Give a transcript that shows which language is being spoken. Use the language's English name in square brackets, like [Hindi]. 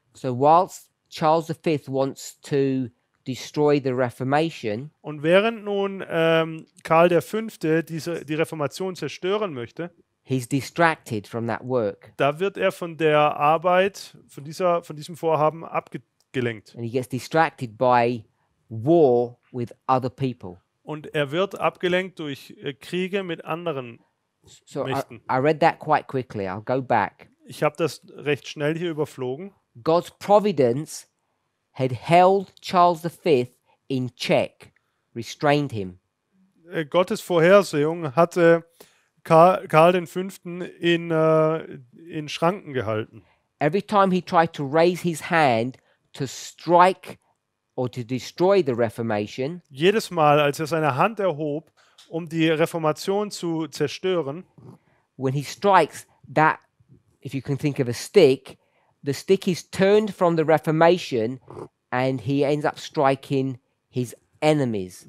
[English] So whilst Charles V wants to destroy the Reformation. [German] Und während nun Karl der Fünfte die Reformation zerstören möchte, [English] he's distracted from that work. [German] Da wird er von der Arbeit, von diesem Vorhaben abgelenkt. [English] And he gets distracted by war with other people. [German] Und er wird abgelenkt durch Kriege mit anderen Mächten. [English] So I read that quite quickly. I'll go back. [German] Ich habe das recht schnell hier überflogen. [English] God's providence had held Charles V in check, restrained him. [German] Gottes Vorhersehung hatte Karl den Fünften in Schranken gehalten. [English] Every time he tried to raise his hand to strike or to destroy the Reformation, [German] jedes Mal, als er seine Hand erhob, um die Reformation zu zerstören, [English] when he strikes that, if you can think of a stick, the stick is turned from the Reformation and he ends up striking his enemies.